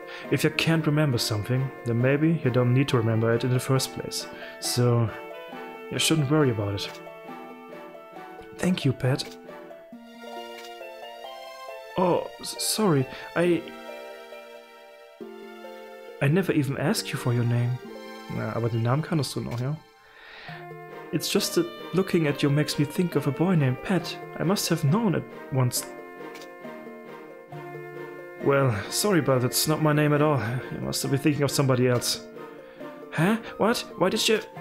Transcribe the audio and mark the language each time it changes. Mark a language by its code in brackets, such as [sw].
[en] If you can't remember something, then maybe you don't need to remember it in the first place. So, you shouldn't worry about it. Thank you, Pat. Oh, sorry, I never even asked you for your name. [de] Na, aber den Namen kannst du noch, ja? [en] It's just that looking at you makes me think of a boy named Pat. I must have known it once. Well, sorry, but that's not my name at all. You must have been thinking of somebody else. Huh? What? Why did you...